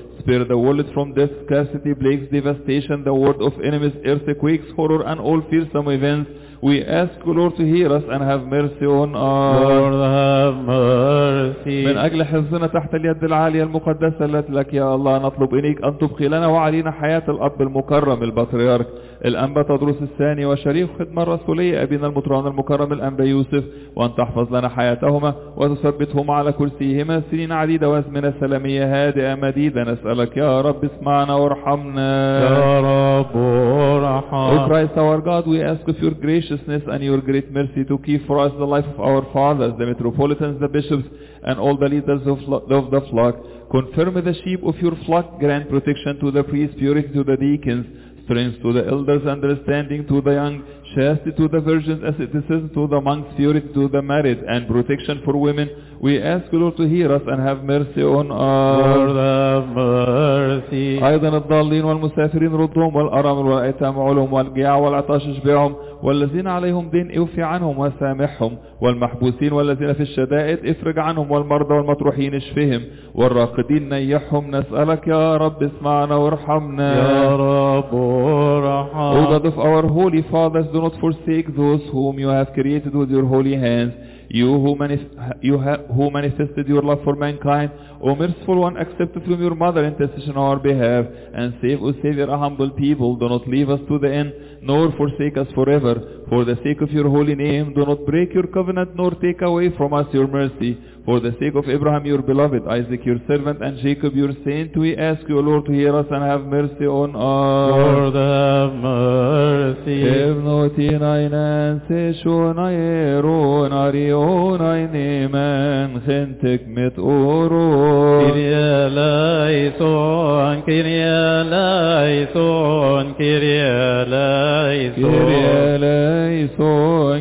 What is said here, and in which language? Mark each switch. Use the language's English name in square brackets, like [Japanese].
[English] Spare the world from death, scarcity, plagues, devastation, the world of enemies, earthquakes, horror, and all fearsome events. We ask, O Lord, to hear us and have mercy on us. Lord, have mercy. [Arabic] من أجل حفظنا تحت اليد العالية المقدسة التي لك يا الله نطلب إليك أن تبقي لنا وعلينا حياة الأب المكرم البطريرك الأنبا تدرس الثاني وشريف خدمة الرسولية أبينا المطران المكرم الأنبا يوسف وأن تحفظ لنا حياتهما وتثبتهما على كرسيهما سنين عديدة وأزمنة سلامية هادئة مديدة نسألك يا رب اسمعنا وارحمنا يا رب ورحمنا [English] O Christ our God we ask of your graciousness and your great mercy to keep for us the life of our fathers the metropolitans the bishops and all the leaders of the flock confirm the sheep of your flock grant protection to the priests purity to the deacons strength to the elders, understanding to the young, chastity to the virgins, asceticism to the monks, purity to the married, and protection for women. We ask you, Lord, to hear us and have mercy on us. Lord, have mercy. [Arabic] أيضا الضالين والمسافرين ردهم والأرامل والأيتام علهم والجياع والعطاش اشبعهم والذين عليهم دين اوفي عنهم وسامحهم والمحبوسين والذين في الشدائد افرج عنهم والمرضى والمطروحين اشفهم والراقدين نيحهم نسألك يا رب اسمعنا وارحمنا يا رب ورحمنا [English] O God of our holy fathers do not forsake those whom you have created with your holy hands who manifested your love for mankind O merciful one accept from your mother intercession on our behalf and save us savior a humble people do not leave us to the end nor forsake us forever for the sake of your holy name do not break your covenant nor take away from us your mercy for the sake of Abraham your beloved Isaac your servant and Jacob your saint we ask you Lord to hear us and have mercy on us Lord have mercy ابنوتيناينان سيشونايرونارينايمان خنتك متورو